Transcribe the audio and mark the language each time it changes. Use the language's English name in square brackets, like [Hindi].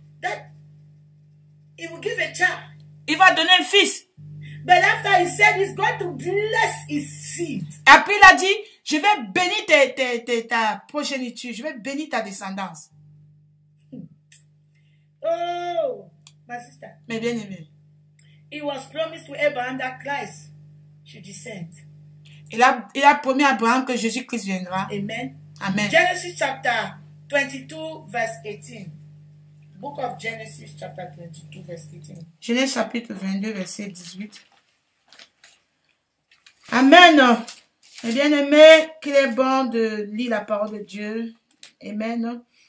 [English] That he will give a child. [French] Il va donner un fils. [English] But after he said he's going to bless his seed. [French] Après il a dit, je vais bénir ta progéniture, je vais bénir ta descendance. [English] Oh, my sister. [French] Mais bien aimé. [English] He was promised to Abraham that Christ should descend. [French] Il a promis à Abraham que Jésus-Christ viendra. Amen. Amen. [English] Genesis chapter 22 verse 18. Book of Genesis chapter 22 verse 18. [French] Genèse chapitre 22 verset 18. Amen. Et bien aimé, qu'il est bon de lire la parole de Dieu. Amen.